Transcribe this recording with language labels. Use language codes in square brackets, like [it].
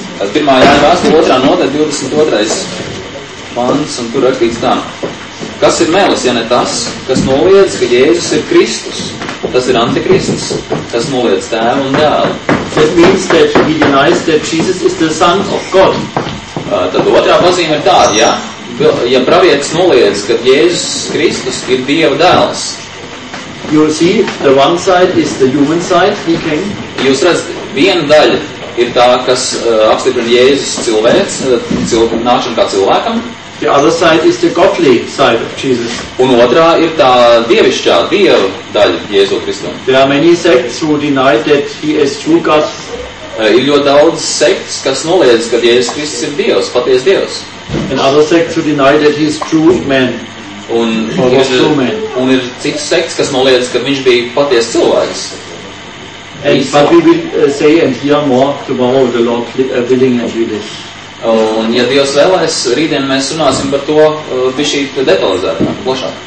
[lv] Pirmā Jāņa vēstule, otrā nodaļa, 22. pants, un tur rakstīts tā. Kas ir melis, ja ne tas, kas noliedz, ka Jēzus ir Kristus? Tas ir Antikrists, kas noliedz tēvu un dēlu. [en] That means that he denies that Jesus is the Son of God. [lv] Tad otrā pazīme ir tāda, ja pravietis noliedz, ka Jēzus Kristus ir Dieva dēls. [en] You see, the one side is the human side, he came. [lv] Jūs redzat, viena daļa ir tā, kas apstiprina Jēzus cilvēks, nākšana kā cilvēkam. [en] The other side is the godly side of Jesus. [lv] Un otrā ir tā dievišķā, Dieva daļa Jēzus Kristus. [en] There are many sects who deny that he is true God. [lv] Ir ļoti daudz sekts, kas noliedz, ka Jēzus Kristus ir Dievs, paties Dievs. [en] And other sects who deny that he is true man. [lv] Un ir cits sekts, kas noliedz, ka viņš bija paties cilvēks. And Visu. [en] But we will say and hear more tomorrow the Lord willing and willing. [lv] Un ja Dievs vēlēs, rītdien mēs runāsim par to bišķīt detalizētāk, plašāk.